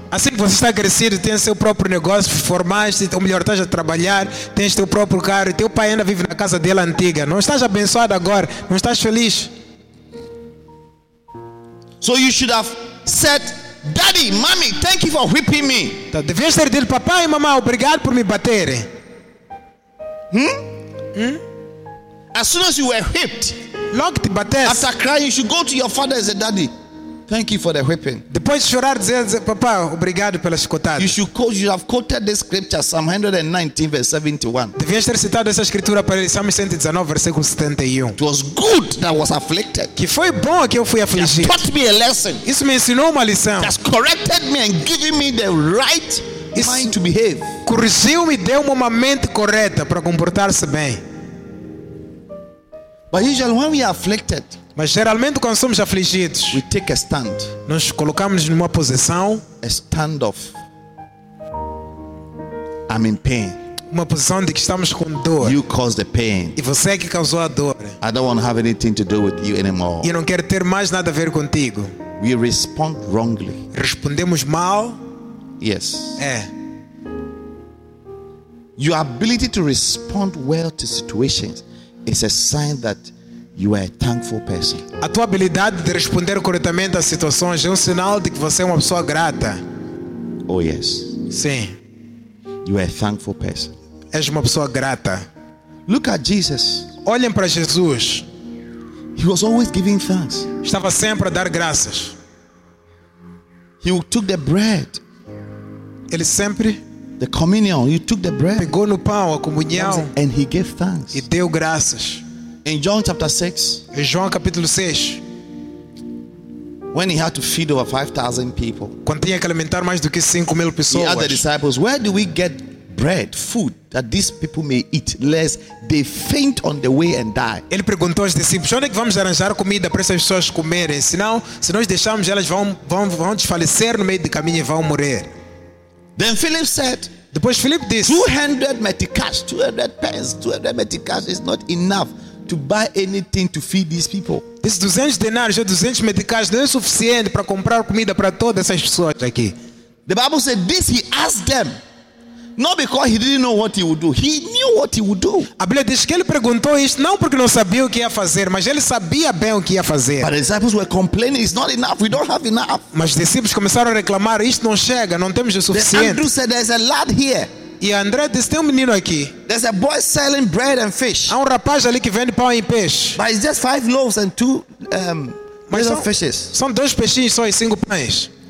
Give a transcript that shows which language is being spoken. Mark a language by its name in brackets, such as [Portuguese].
[Portuguese] Assim que você está crescido, tem seu próprio negócio, formaste, ou melhor, estás a trabalhar, tens teu próprio carro, e teu pai ainda vive na casa dele antiga. Não estás abençoado agora? Não estás feliz? [English] So you should have said, Daddy, Mommy, thank you for whipping me. [Portuguese] Então, devias ter dito, papai e mamãe, obrigado por me bater. [English] As soon as you were whipped, [Portuguese] logo que te bateste, [English] after crying, you should go to your father and say, Daddy, thank you for the whipping. [Portuguese] Depois de chorar, dizer, papá, obrigado pela chicotada. [English] You should have quoted this scripture, Psalm 119, verse 71. [Portuguese] Devias ter citado essa escritura para Psalm 119, versículo 71. [English] It was good that I was afflicted. [Portuguese] Que foi bom que eu fui afligido. [English] It taught me a lesson. [Portuguese] Isso me ensinou uma lição. [English] It has corrected me and given me the right mind to behave. [Portuguese] Corrigiu-me, deu-me uma mente correta para comportar-se bem. [English] But usually when we are afflicted, [Portuguese] mas geralmente quando somos afligidos, [English] we take a stand. [Portuguese] Nós colocamos numa posição, [English] a stand of, I I'm in pain. [Portuguese] Uma posição de que estamos com dor. [English] You caused the pain. [Portuguese] E você é que causou a dor. [English] I don't want to have anything to do with you anymore. [Portuguese] Eu não quero ter mais nada a ver contigo. [English] We respond wrongly. [Portuguese] Respondemos mal. [English] Yes. [Portuguese] É. [English] Your ability to respond well to situations is a sign that you are a thankful person. [Portuguese] A tua habilidade de responder corretamente às situações é um sinal de que você é uma pessoa grata. [English] Oh yes. [Portuguese] Sim. [English] You are a thankful person. [Portuguese] És uma pessoa grata. [English] Look at Jesus. [Portuguese] Olhem para Jesus. [English] He was always giving thanks. [Portuguese] Estava sempre a dar graças. [English] He took the bread. [Portuguese] Ele sempre [English] the communion. He took the bread. [Portuguese] Pegou no pão a comunhão. [English] And he gave thanks. [Portuguese] E deu graças. [English] In John chapter 6. [Portuguese] Em João capítulo 6. [English] When he had to feed over 5,000 people. [Portuguese] Quando tinha que alimentar mais do que 5 mil pessoas. [English] He asked the disciples, where do we get bread, food that these people may eat, lest they faint on the way and die? [Portuguese] Ele perguntou aos discípulos, onde é que vamos arranjar comida para essas pessoas comerem? Senão, se nós deixarmos, elas vão desfalecer no meio do caminho e vão morrer. [English] Then Philip said, [Portuguese] depois Philip disse, [English] 200 meticais is not enough to buy anything to feed these people. [Portuguese] Esses 200 denários ou 200 meticais não é suficiente para comprar comida para todas essas pessoas aqui. [English] The Bible said this, he asked them. Not because he didn't know what he would do. He knew what he would do. [Portuguese] A Bíblia diz que ele perguntou isso não porque não sabia o que ia fazer, mas ele sabia bem o que ia fazer. [English] But the disciples were complaining, it's not enough, we don't have enough. [Portuguese] Mas os discípulos começaram a reclamar, isto não chega, não temos o suficiente. [English] Andrew said, there's a lad here. [Portuguese] E André disse, tem um menino aqui. [English] There's a boy selling bread and fish. [Portuguese] Há um rapaz ali que vende pão e peixe. [English] But it's just 5 loaves and 2 little fishes. [Portuguese] São 2 peixinhos só e 5 pães.